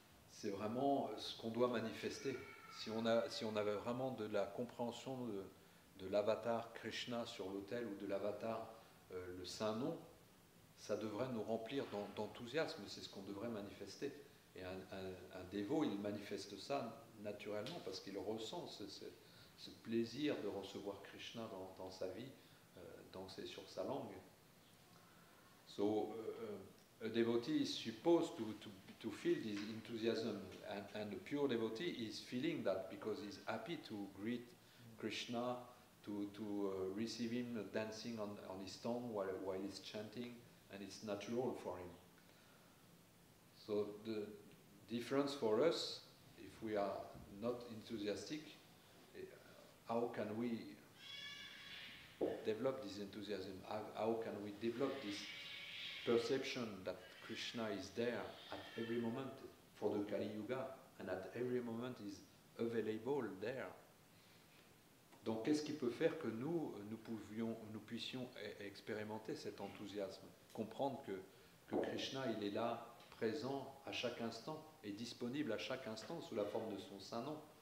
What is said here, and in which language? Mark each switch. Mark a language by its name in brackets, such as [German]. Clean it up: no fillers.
[French] C'est vraiment ce qu'on doit manifester. Si on avait vraiment de la compréhension de l'avatar Krishna sur l'autel ou de l'avatar le saint nom, ça devrait nous remplir d'enthousiasme, c'est ce qu'on devrait manifester. Et un dévot, il manifeste ça naturellement parce qu'il ressent ce plaisir de recevoir Krishna dans sa vie, danser sur sa langue. [English] So, a devotee is supposed to feel this enthusiasm, and a pure devotee is feeling that because he's happy to greet Krishna, to receive him dancing on his tongue while he's chanting, and it's natural for him. So the difference for us, if we are not enthusiastic, how can we develop this enthusiasm? How can we develop this perception that Krishna is there at every moment for the Kali Yuga, and at every moment is available there? [French] Donc qu'est-ce qui peut faire que nous puissions expérimenter cet enthousiasme, comprendre que Krishna il est là, présent à chaque instant, est disponible à chaque instant sous la forme de son saint nom.